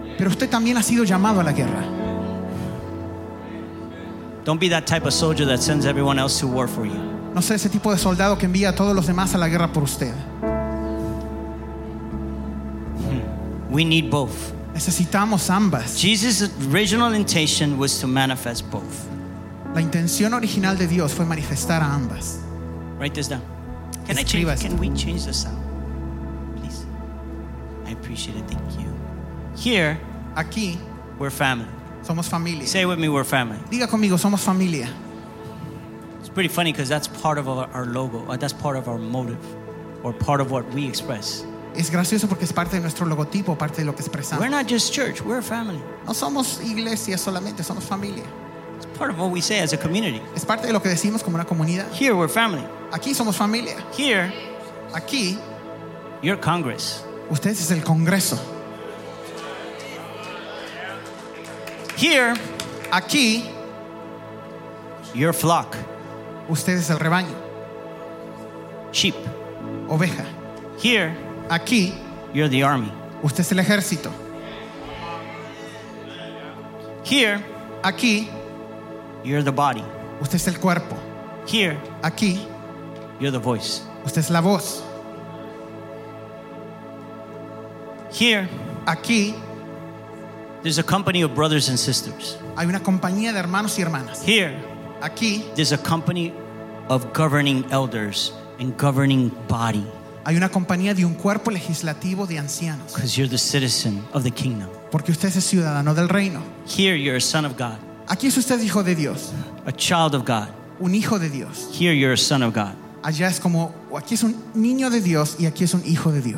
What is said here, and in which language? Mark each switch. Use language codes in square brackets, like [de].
[es] Pero usted también ha sido llamado a la guerra. [en] Don't be that type of soldier that sends everyone else to war for you. [es] No sea ese tipo de soldado que envía a todos los demás a la guerra por usted. [en] We need both. [es] Necesitamos ambas. [en] Jesus' original intention was to manifest both. [es] La intención original de Dios fue manifestar a ambas. [en] Write this down. Can I change? Can we change the sound, please? I appreciate it. Thank you. Here, [es] aquí, [en] we're family. [es] Somos familia. [en] Say with me, we're family. [es] Diga conmigo, somos familia. [en] It's pretty funny because that's part of our logo. That's part of our motive, or part of what we express. [es] Es gracioso porque es parte de nuestro logotipo, parte de lo que expresamos. [en] We're not just church, we're a family. [es] No somos iglesia solamente, somos familia. [en] It's part of what we say as a community. [es] Es parte de lo que decimos como una comunidad. [en] Here we're family. [es] Aquí somos familia. [en] Here, [es] aquí, [en] you're Congress. [es] Ustedes es el Congreso. [en] Here, [es] aquí, [en] your flock. [es] Ustedes es el rebaño. [en] Sheep. [es] Oveja. [en] Here, [es] aquí, [en] you're the army. [es] Usted es el ejército. [en] Here, [es] aquí, [en] you're the body. [es] Usted es el cuerpo. [en] Here, [es] aquí, [en] you're the voice. [es] Usted es la voz. [en] Here, [es] aquí, [en] there's a company of brothers and sisters. [es] Hay una compañía de hermanos y hermanas. [en] Here, [es] aquí, [en] there's a company of governing elders and governing body. [es] Hay una compañía de un cuerpo legislativo de ancianos. [en] Because you're the citizen of the kingdom. [es] Porque usted es ciudadano del reino. [en] Here you're a son of God. [es] Aquí es usted hijo de Dios. [en] A child of God. [es] Un hijo de Dios. [en] Here you're a son of God. [es] Allá es como aquí es un niño de Dios y aquí es un hijo de Dios.